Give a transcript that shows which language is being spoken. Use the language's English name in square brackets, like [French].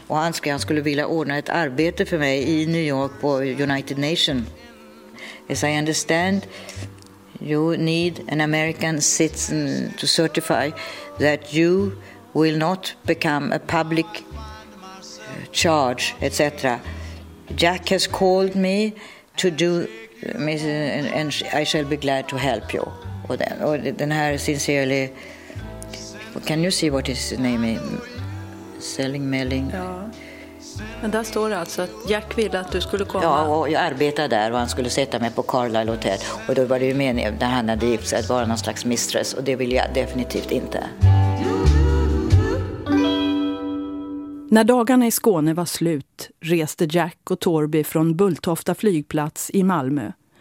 [Swedish] Och han skulle vilja ordna ett arbete för mig i New York på United Nations. [English] As I understand, you need an American citizen to certify that you will not become a public charge, etc. Jack has called me to do, and I shall be glad to help you. [Swedish] Och den här [English] sincerely, can you see what his name is? Selling Melling. [Swedish] Ja. Men där står det alltså att Jack ville att du skulle komma. Ja, och jag arbetade där och han skulle sätta mig på Carlisle Hotel. Och då var det ju meningen när han hade gift sig att vara någon slags mistress. Och det vill jag definitivt inte. När dagarna i Skåne var slut reste Jack och Torby från Bulltofta flygplats i Malmö.